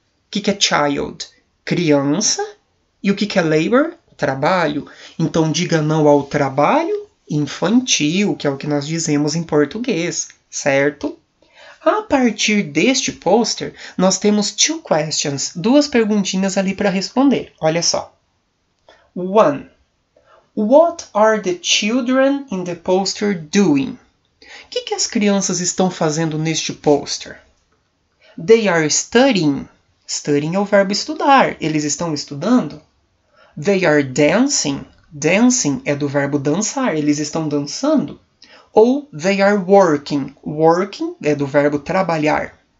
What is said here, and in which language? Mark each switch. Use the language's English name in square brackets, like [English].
[Portuguese] O que é child? Criança. E o que é labor? Trabalho. Então, diga não ao trabalho infantil, que é o que nós dizemos em português, certo? A partir deste pôster, nós temos [English] two questions, [Portuguese] duas perguntinhas ali para responder. Olha só. One. [English] What are the children in the poster doing? [Portuguese] O que as crianças estão fazendo neste pôster? [English] They are studying. Studying [Portuguese] é o verbo estudar. Eles estão estudando? [English] They are dancing. [Portuguese] Dancing é do verbo dançar. Eles estão dançando? Ou [English] they are working. Working [Portuguese] é do verbo trabalhar.